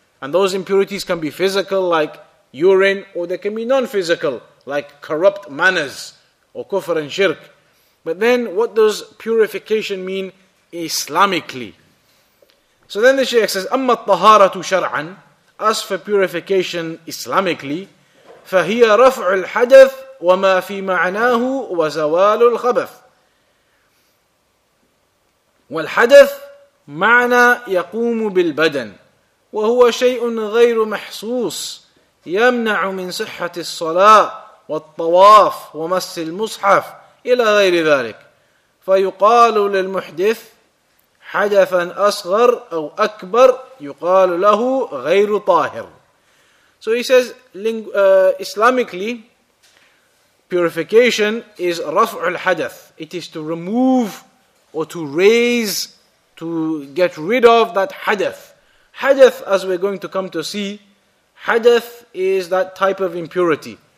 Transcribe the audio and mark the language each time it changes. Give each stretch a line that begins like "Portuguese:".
English: And those impurities can be physical, like urine, or they can be non-physical, like corrupt manners or kufr and shirk. But then, what does purification mean Islamically? So then the Shaykh says,
Arabic: أَمَّا الطَّهَارَةُ شَرْعًا.
English: As for purification Islamically,
Arabic: فَهِيَ رَفْعُ الْحَدَثْ وَمَا فِي مَعْنَاهُ وَزَوَالُ الْخَبَثِ. وَالْحَدَثْ مَعْنَى يَقُومُ بِالْبَدَنِ وَهُوَ شَيْءٌ غَيْرُ مَحْسُوسٌ يَمْنَعُ مِنْ صِحَّةِ الصَّلَاةِ وَالطَّوَافِ وَمَسِّ الْمُصْحَفِ إلى غير ذلك. فيقال للمحدث حدثا أصغر أو أكبر يقال له غير طاهر.
English: So he says, Islamically, purification is
Arabic: رفع الحدث.
English: It is to remove or to raise, to get rid of that حدث. حدث, as we're going to come to see, حدث is that type of impurity.